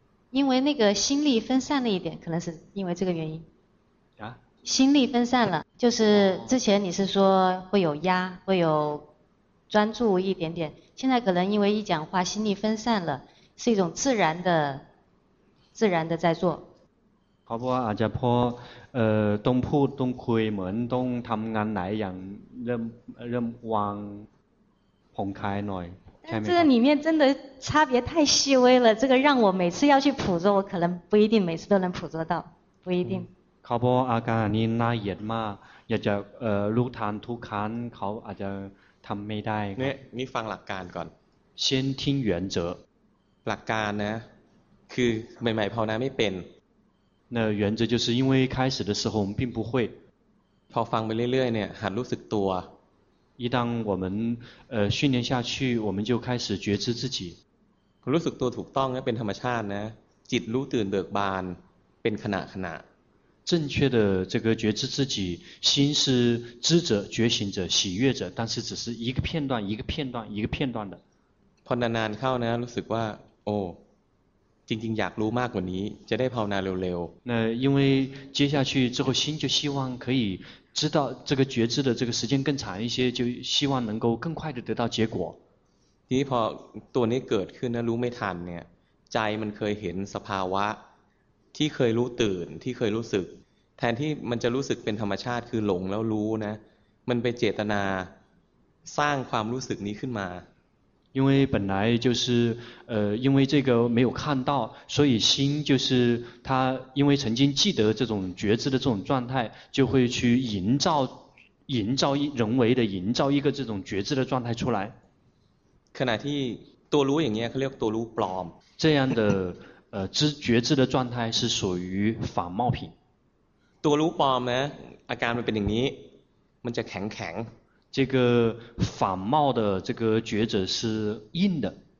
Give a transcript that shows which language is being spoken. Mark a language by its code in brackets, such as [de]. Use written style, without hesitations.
[zh] 因为那个心力分散了一点可能是因为这个原因、啊、心力分散了就是之前你是说会有压会有专注一点点现在可能因为一讲话心力分散了是一种自然的在做 [th] ครับว่าอาจจะพอต้องพูดต้องคุยเหมือนต้องทำงานไหนอย่างเริ่มวางผ่อนคลายหน่อย [zh] 但这个里面真的差别太细微了这个让我每次要去捕捉我可能不一定每次都能捕捉到不一定 [th] ครับว่าอาการนี้น่าเหยียดมากอยากจะรู้ทันทุกครั้งเขาอาจจะทำไม่ได้ นี่ฟังหลักการก่อน [zh] 先听原则 [th] หลักการนะคือใหม่ๆภาวนาไม่เป็น [zh] 那原则就是因为开始的时候我们并不会 [th] พอฟังไปเรื่อยๆเนี่ยหัดรู้สึกตัว [zh] 一旦我们训练下去我们就开始觉知自己 [th] รู้สึกตัวถูกต้องนะเป็นธรรมชาตินะจิตรู้ตื่นเบิกบานเป็นขณะ [zh] 正确的这个觉知自己心是知者觉醒者喜悦者但是只是一个片段一个片段一个片段的 [th] พอนานๆเข้านะรู้สึกว่าโอ้จริงๆอยากรู้มากกว่านี้จะได้ภาวนาเร็ว [zh] ๆ那因为接下去之后心就希望可以知道这个觉知的这个时间更长一些就希望能够更快的得到结果 [th] ทีนี้พอตัวนี้เกิดขึ้นแล้วรู้ไม่ทันเนี่ยใจมันเคยเห็นสภาวะที่เคยรู้ตื่นที่เคยรู้สึกแทนที่มันจะรู้สึกเป็นธรรมชาติคือหลงแล้วรู้นะมันเป็นเจตนาสร้างความรู้สึกนี้ขึ้นมา [zh] 因为本来就是因为这个没有看到所以心就是它因为曾经记得这种觉知的这种状态就会去营造人为的营造一个这种觉知的状态出来 [th] ขณะที่ตัวรู้อย่างเงี้ยเขาเรียกตัวรู้ปลอม [zh] 这样的觉知的状态是属于仿冒品 [th] ตัวรู้ปลอมนะอาการมันเป็นอย่างนี้มันจะแข็ง [zh] 这个反冒的这个觉者是硬的。